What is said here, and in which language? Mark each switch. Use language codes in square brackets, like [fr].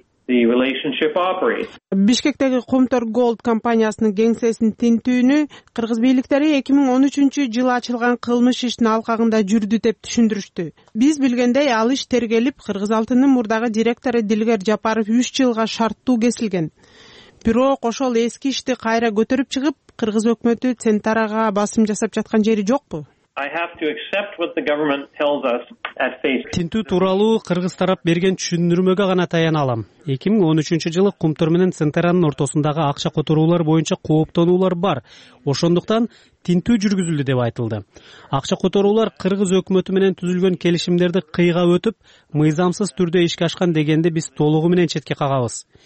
[ky] Бишкектеги Кумтор Голд компаниясынын кеңсесинин тинтүүнү кыргыз бийликтери 2013-жылы ачылган кылмыш иштин алкагында жүрдү деп түшүндүрүштү. Биз билгендей ал иш тергелип, Кыргыз Алтынынын мурдагы директору Дилгер Жапаров 3 жылга шарттуу кесилген. Бирок ошол эски ишти кайра көтөрүп чыгып, кыргыз өкмөтү Центарага басым жасап жаткан жери жокпу? [en] I have to accept what the government tells us at face. [ky] Тинтүү тууралуу кыргыз тарап берген түшүндүрмөгө гана таяна алам. 2013-жылы Кумтор менен Центаранын ортосундагы акча которуулар боюнча кооптонуулар бар. Ошондуктан тинтүү жүргүзүлдү деп айтылды. Акча которуулар кыргыз өкмөтү менен түзүлгөн келишимдерди кыйга өтүп, мыйзамсыз түрдө ишке ашкан дегенди биз толугу менен четке кагабыз.